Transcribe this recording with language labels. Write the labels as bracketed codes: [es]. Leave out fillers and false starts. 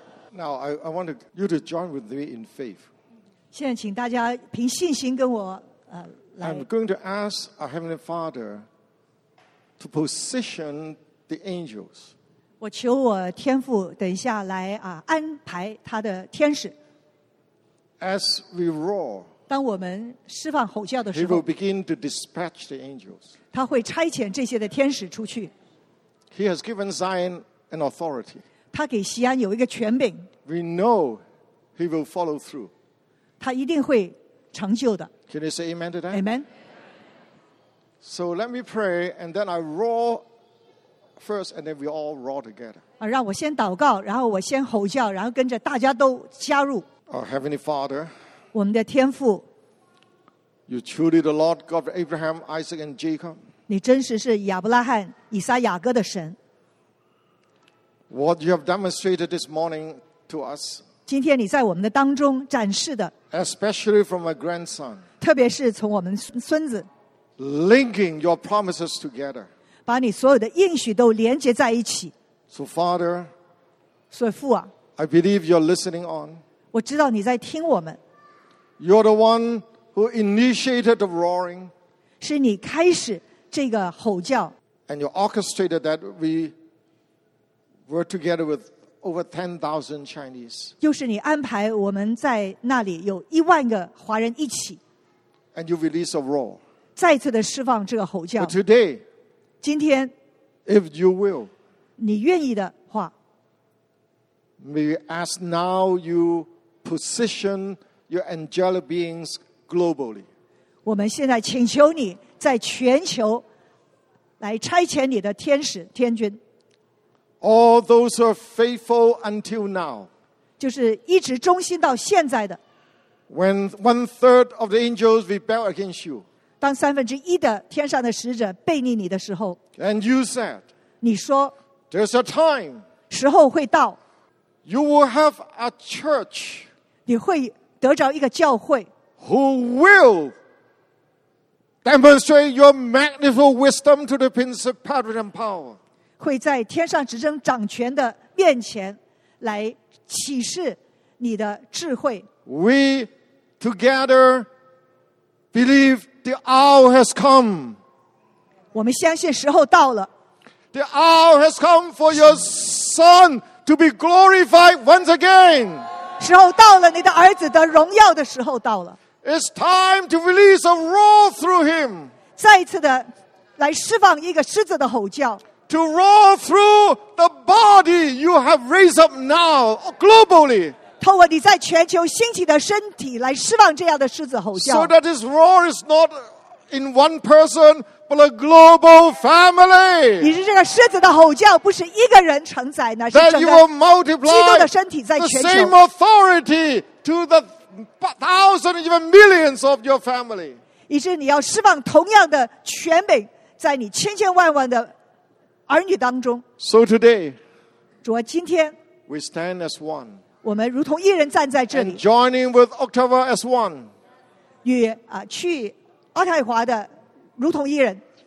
[en] Now I want you to join with me in faith. [zh] 现在请大家凭信心跟我来。 [en] I'm going to ask our Heavenly Father to position the angels. [zh] 我求我天父等一下来安排他的天使。 [en] As we roar, [zh] 当我们释放吼叫的时候 [en] ，He will begin to dispatch the angels. [zh] 他会差遣这些的天使出去。 [en] He has given Zion an authority. [zh] 他给西安有一个权柄。 [en] We know he will follow through. [zh] 他一定会成就的。 [en] Can you say amen to that? Amen. So let me pray, and then I roar first, and then we all roar together. [zh] 让我先祷告，然后我先吼叫，然后跟着大家都加入。 [en] Our Heavenly Father. [zh] 我们的天父。 [en] You truly the Lord God of Abraham, Isaac, and Jacob. [zh] 你真实是亚伯拉罕、以撒、雅各的神。 [en] What you have demonstrated this morning to us, [zh] 今天你在我们的当中展示的 [en] especially from a grandson, [zh] 特别是从我们孙子 [en] linking your promises together, [zh] 把你所有的应许都连接在一起。 [en] So Father, [zh] 所以父啊 [en] I believe you're listening on, [zh] 我知道你在听我们。 [en] You're the one who initiated the roaring, [zh] 是你开始这个吼叫。 [en] And you orchestrated that we're together with over 10,000 Chinese. [zh] 又是你安排我们在那里有一万个华人一起。 [en] And you release a roar. [zh] 再次的释放这个吼叫。 [en] But today, [zh] 今天 [en] if you will, [zh] 你愿意的话 [en] may we ask now you position your angelic beings globally. [zh] 我们现在请求你在全球来差遣你的天使天君。 [en] All those who are faithful until now, [zh] 就是一直忠心到现在的。 [en] When one third of the angels rebel against you, [zh] 当三分之一的天上的使者背逆你的时候。 [en] And you said, [zh] 你说 [en] there's a time, [zh] 时候会到。 [en] You will have a church, [zh] 你会得着一个教会。 [en] Who will demonstrate your magnificent wisdom to the principality and power? [zh] 会在天上执政掌权的面前来启示你的智慧。 [en] We together believe the hour has come. [zh] 我们相信时候到了。 [en] The hour has come for your son to be glorified once again. [zh] 时候到了，你的儿子的荣耀的时候到了。 [en] It's time to release a roar through him. [zh] 再一次的来释放一个狮子的吼叫。 [en] To roar through the body you have raised up now globally. [zh] 透过你在全球兴起的身体来释放这样的狮子吼叫。 [en] So that this roar is not in one person, but a global family. [zh] 你是这个狮子的吼叫，不是一个人承载，那是整个基督的身体在全球。 [en] That you will multiply the same authority to the thousands, even millions of your family. [zh] 以致你要释放同样的权柄在你千千万万的。儿女当中 [en] so today, [zh] 主啊今天 [en] we stand as one, [zh] 我们如同一人站在这里 [en] and joining with Ottawa as one, [zh] 与、去渥太华的如同一人